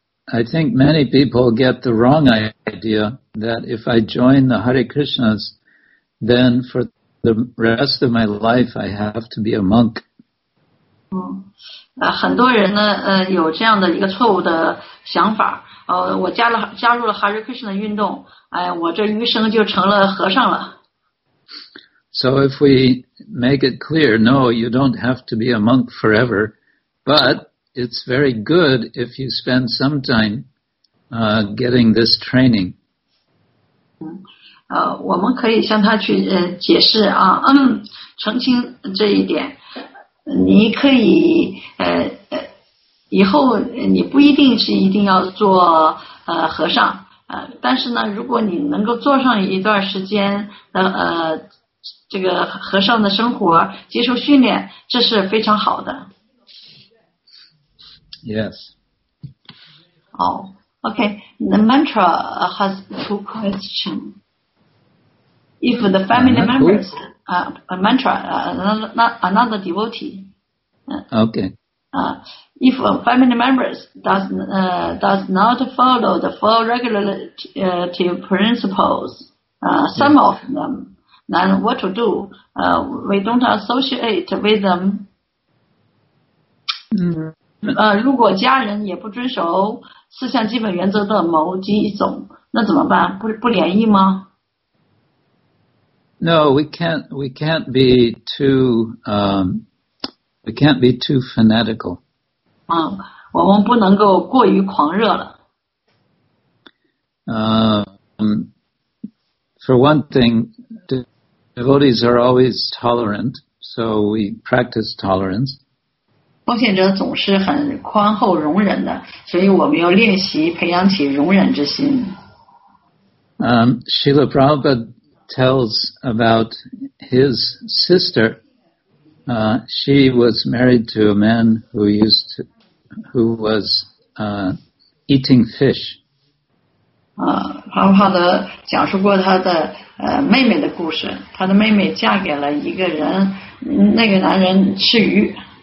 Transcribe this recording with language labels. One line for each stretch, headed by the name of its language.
English: I think many people get the wrong idea that if I join the Hare Krishnas, then for the rest of my life I have to be a monk.
Chinese: 很多人呢，有这样的一个错误的想法。我加入了 Hare Krishna 运动，我这余生就成了和尚了。
English: So if we make it clear, no, you don't have to be a monk forever, but it's very good if you spend some time getting this training.
Chinese: 我们可以向他去解释啊，澄清这一点。你可以以后你不一定是一定要做和尚，但是呢，如果你能够做上一段时间的这个和尚的生活，接受训练，这是非常好的。
English: Yes. Oh, okay. The mantra has two questions. If the family members, another devotee. If a family members does not follow the four regulative principles, some of them, then what to do? We don't associate with them.
Chinese: 如果家人也不遵守四项基本原则的某几种，那怎么办？不联系吗
English: ？No, we can't be too fanatical.
Chinese: 我们不能够过于狂热了。
English: For one thing, devotees are always tolerant, so we practice tolerance.
Chinese: 奉献者总是很宽厚容忍的，所以我们要练习培养起容忍之心。
English: Srila Prabhupada tells about his sister. She was married to a man who was eating fish.
Chinese: Prabhupada 讲述过他的妹妹的故事。他的妹妹嫁给了一个人，那个男人吃鱼。